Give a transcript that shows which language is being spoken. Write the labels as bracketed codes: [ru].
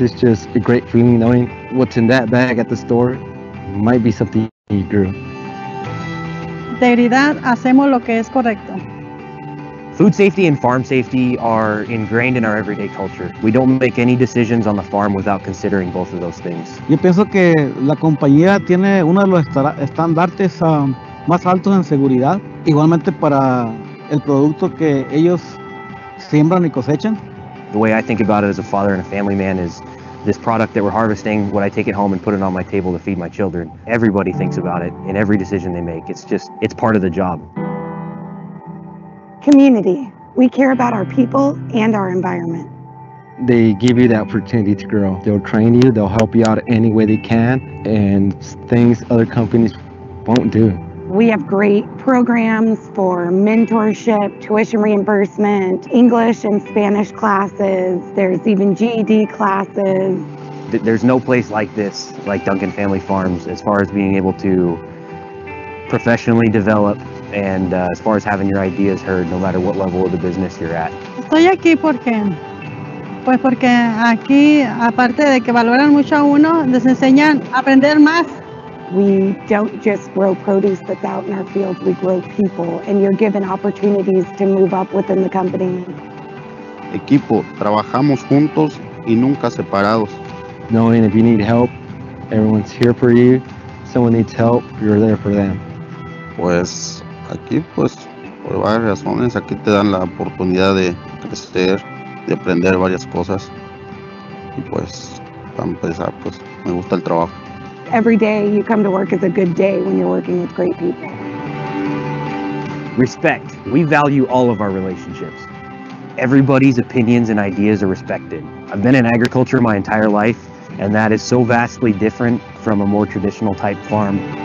[en] It's just a great feeling knowing what's in that bag at the store might be something you grew. [es] Integridad, hacemos lo que es correcto. [en] Food safety and farm safety are ingrained in our everyday culture. We don't make any decisions on the farm without considering both of those things. [es] Yo pienso que la compañía tiene uno de los estandartes más altos en seguridad, igualmente para el producto que ellos siembran y cosechan. [en] The way I think about it as a father and a family man is this product that we're harvesting, would I take it home and put it on my table to feed my children? Everybody thinks about it in every decision they make. It's part of the job. Community. We care about our people and our environment. They give you the opportunity to grow. They'll train you, they'll help you out any way they can, and things other companies won't do. We have great programs for mentorship, tuition reimbursement, English and Spanish classes. There's even GED classes. There's no place like this, like Duncan Family Farms, as far as being able to professionally develop and as far as having your ideas heard, no matter what level of the business you're at. [es] Estoy aquí porque, pues porque aquí, aparte de que valoran mucho a uno, les enseñan a aprender más. [en] We don't just grow produce that's out in our fields, we grow people, and you're given opportunities to move up within the company. [es] Equipo, trabajamos juntos y nunca separados. [en] Knowing if you need help, everyone's here for you. Someone needs help, you're there for them. [es] Pues aquí, pues, por varias razones, aquí te dan la oportunidad de crecer, de aprender varias cosas. Y pues, para empezar, pues, me gusta el trabajo. [en] Every day you come to work is a good day when you're working with great people. Respect. We value all of our relationships. Everybody's opinions and ideas are respected. I've been in agriculture my entire life, and that is so vastly different from a more traditional type farm.